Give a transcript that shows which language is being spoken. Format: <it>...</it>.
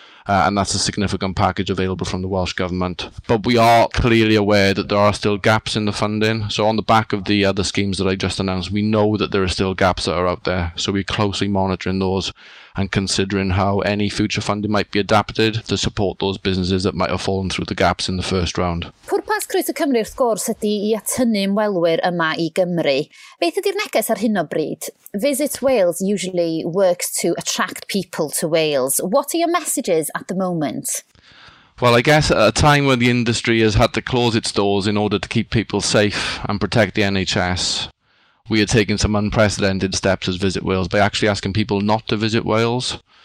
<en>And that's a significant package available from the Welsh Government. But we are clearly aware that there are still gaps in the funding. So on the back of the other schemes that I just announced, we know that there are still gaps that are out there. So we're closely monitoring those and considering how any future funding might be adapted to support those businesses that might have fallen through the gaps in the first round.</en> <cy>Pwrpas Croeso Cymru wrth gwrs ydy I atynnu ymwelwyr yma I Gymru. Beth ydy'r neges ar hyn o bryd?</cy> <en>Visit Wales usually works to attract people to Wales. What are your messages at the moment? Well, I guess at a time when the industry has had to close its doors in order to keep people safe and protect the NHS, we are taking some unprecedented steps as Visit Wales by actually asking people not to visit Wales.</en>